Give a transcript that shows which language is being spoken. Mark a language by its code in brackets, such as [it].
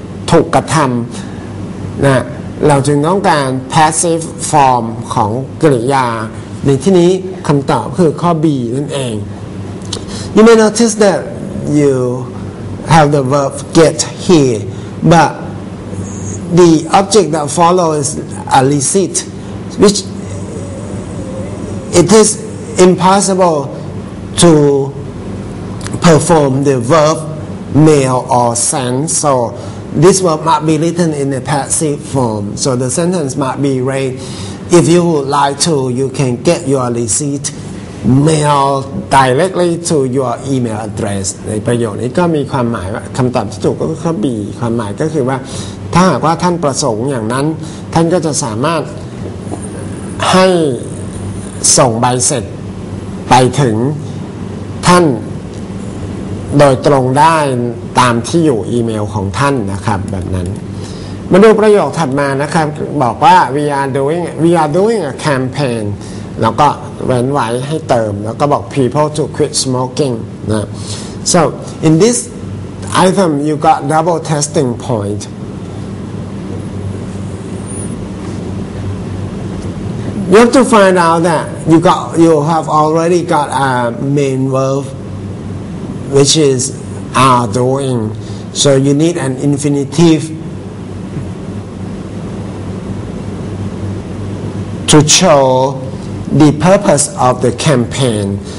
[th] ถูกกระทำนะเราจึงต้องการ passive form ของกริยาในที่นี้คำตอบคือข้อ B นั่นเอง [en] You may notice that you have the verb get here but the object that follows a receipt whichIt is impossible to perform the verb mail or send. So this verb must be written in a passive form. So the sentence must be read, if you would like to, you can get your receipt mail directly to your email address. [th] ในประโยคนี้ก็มีความหมายว่าคำตอบที่ถูกก็คือ B. ความหมายก็คือว่าถ้าหากว่าท่านประสงค์อย่างนั้นท่านก็จะสามารถให้ส่งใบเสร็จไปถึงท่าน โดยตรงได้ตามที่อยู่อีเมลของท่านนะครับแบบนั้นมาดูประโยคถัดมานะครับบอกว่า [en] we are doing a campaign [th] แล้วก็เว้นไว้ให้เติมแล้วก็บอก [en] people to quit smoking นะ so in this item you got double testing pointYou have to find out that you have already got a main verb, which is are doing. So you need an infinitive to show the purpose of the campaign.